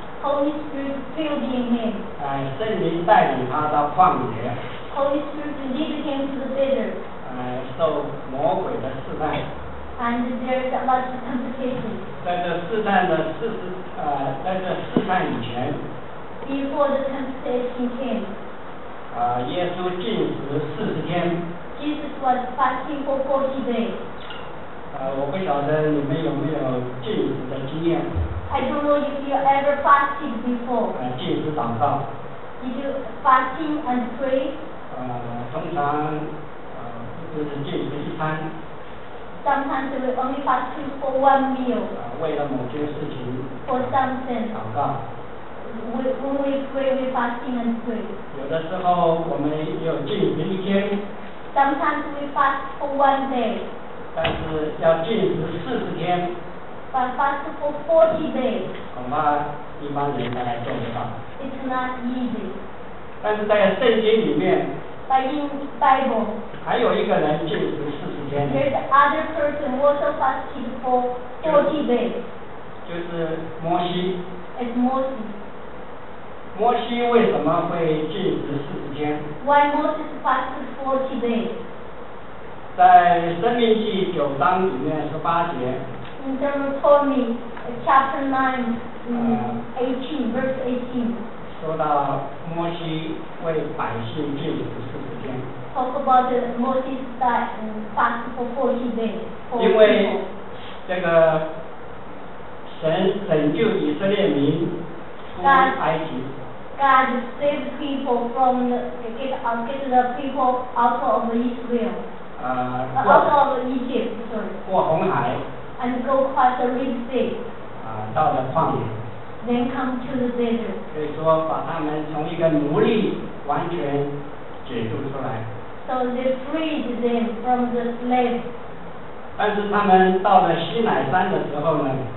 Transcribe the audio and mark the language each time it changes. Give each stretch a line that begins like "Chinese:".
English: Holy Spirit filled him in.
Chinese: 圣灵带领他到旷野
English: Holy Spirit lead him to the desert.
Chinese: 受魔鬼的试探
English: And there's a lot of temptation.
Chinese: 在这试探的在这试探以前
English: Before the temptation came.
Chinese: 耶稣禁食四十天。
English: Jesus was fasting for 40 days.
Chinese: 我不晓得你们有没有禁食的经验。
English: I don't know if you ever fasted before.
Chinese: 禁食祷告。
English: Did you fasting and pray?
Chinese: 通常就是禁食一餐。
English: Sometimes we only fasting for one meal.
Chinese: 为了某件事情。
English: For something.
Chinese: 祷告。
English: When we pray, we fasting and pray.
Chinese: 有的时候我们有禁食一天。
English: Sometimes we fast for one day.
Chinese: 但是要禁食四十天。
English: But fast for 40 days.
Chinese: 恐怕一般人都来做不到。
English: It's not easy.
Chinese: 但是在圣经里面。
English: But in Bible.
Chinese: 还有一个人禁食四十天。
English: There's other person also fasting for 40 days.
Chinese: 就是摩西。
English: It's Moses.
Chinese: 摩西为什么会禁食四十天
English: ？Why Moses fasted 40 days？
Chinese: 在《生命记》九章里面十八节。
English: In Deuteronomy chapter 9:18.
Chinese: 说到摩西为百姓禁食四十天。
English: Talk about the Moses that fasted for 40 days.
Chinese: 因为这个神拯救以色列民出埃及。
English: God saved people from get the people out of Israel. Out of Egypt, sorry.
Chinese: 过红海。
English: And go across the Red Sea.
Chinese: 到了旷野。
English: then come to the desert.
Chinese: 所以说把他们从一个奴隶完全解救出来。
English: So they freed them from the slave.
Chinese: 但是他们到了西乃山的时候呢？